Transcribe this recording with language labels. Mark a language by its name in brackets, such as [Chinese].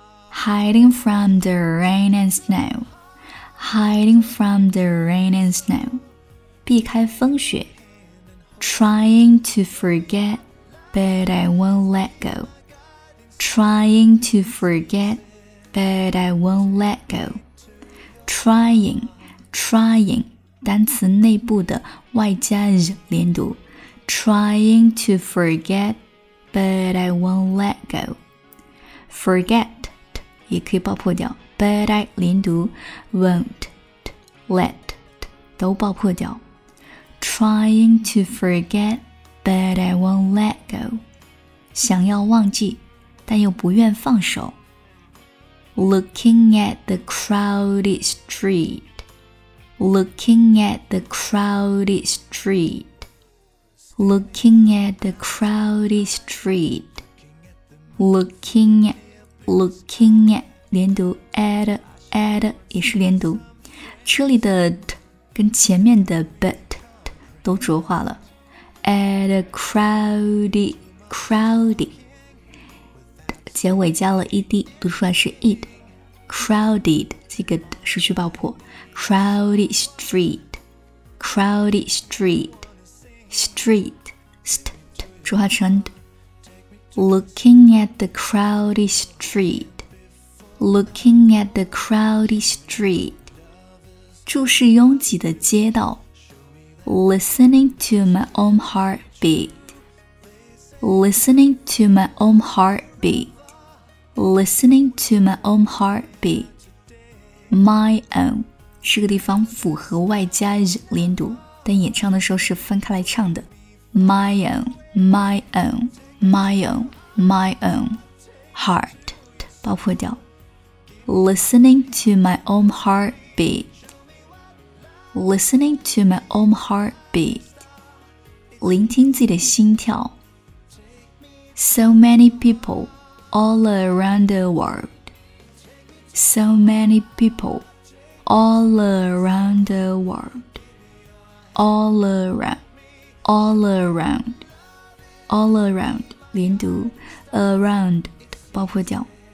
[English] Hiding from the rain and snow. Hiding from the rain and snow. [Chinese] 避开风雪 [English] Trying to forget, but I won't let go. Trying to forget, but I won't let go. Trying, trying, [Chinese] 单词内部的外加 z 连读。 [English] Trying to forget, but I won't let go. Forget, [Chinese] 也可以爆破掉 [English] but I 连读 won't, let, [Chinese] 都爆破掉 [English] Trying to forget, but I won't let go. [Chinese] 想要忘记但又不愿放手 [English] Looking at the crowded street. Looking at the crowded street. Looking at the crowded street. Looking at, 连读 at, [Chinese] 也是连读。这里的 t 跟前面的 but 都浊化了。 At a crowded, 结尾加了 ed, 读出来是 it. Crowded, 这个 t 失去爆破。 [English] Crowded street, crowded street. Street, st, [Chinese] 浊化成 t. [English] Looking at the crowded street. Looking at the crowded street. [Chinese] 注视拥挤的街道 [English] Listening to my own heartbeat. Listening to my own heartbeat. Listening to my own heartbeat. [Chinese] My own, 这个地方符合外加 z 连读。但演唱的时候是分开来唱的 [English] My own, my own, my own, my own Heart [Chinese] 爆破掉 [English] Listening to my own heartbeat Listening to my own heartbeat [Chinese] 聆听自己的心跳 [English] So many people all around the world So many people all around the worldAll around, all around, all around, 连读 around, [Chinese] 爆破掉。